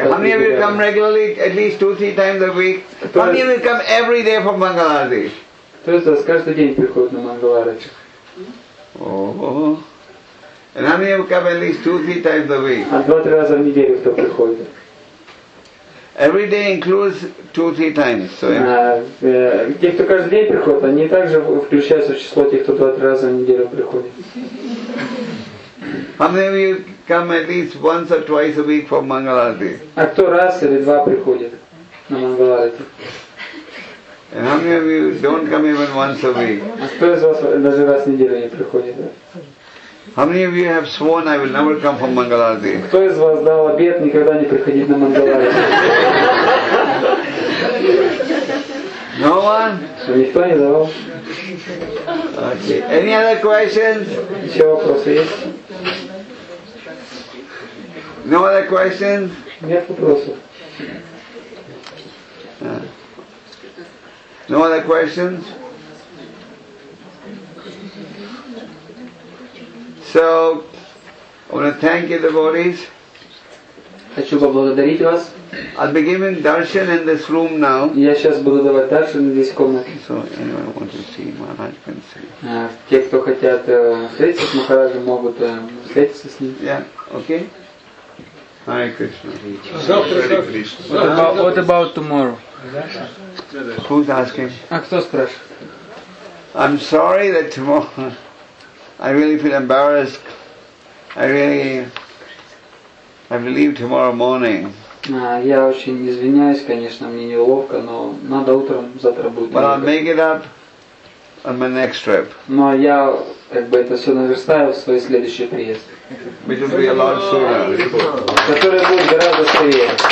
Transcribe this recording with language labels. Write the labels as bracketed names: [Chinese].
[English] How many of you come regularly, at least 2-3 times a week? How many of you come every day from Mangalarti? [Russian] То есть вас каждый день приходит на Мангаларати. [English] And how many of you come at least 2-3 times a week? [Russian] А 2-3 раза в неделю кто приходит? [English] Every day includes 2-3 times. So, yeah. [Russian] Те, кто каждый день приходит, они также включаются в число тех, кто 2-3 раза в неделю приходит. [English] How many of you come at least once or twice a week for Mangalarti? [Russian] А кто раз или два приходит на Мангаларати? [English] And how many of you don't come even once a week? [Russian] А кто из вас даже раз в неделю не приходит? [English] How many of you have sworn I will never come from Mangalarti? [Russian] Кто из вас дал обет никогда не приходить на Мангаларти? [English] No one? [Russian] So, никто не давал. [English] Okay. Any other questions? [Russian] Еще вопросы есть? [English] No other questions? [Russian] Нет вопросов. [English] No other questions? So, I want to thank you, devotees. [Russian] Хочу поблагодарить вас. [English] I'll be giving darshan in this room now. [Russian] Я сейчас буду давать даршан в этой комнате. [English] So, anyone who wants to see Maharaj can see. [Russian] Те, кто хотят встретиться с Махараджем, могут встретиться с ним. [English] Yeah. Okay. Hare Krishna. What about tomorrow? Who's asking? [Russian] А кто спрашивает? [English] I'm sorry that tomorrow. I really feel embarrassed. I believe tomorrow morning. [Russian] Я очень извиняюсь, конечно, мне неловко, но надо утром завтра будет. [English] But I'll make it up on my next trip. [Russian] Но я как бы это все наверстаю в свой следующий приезд. [English] Which will be a lot sooner. [Russian] Который будет гораздо скорее.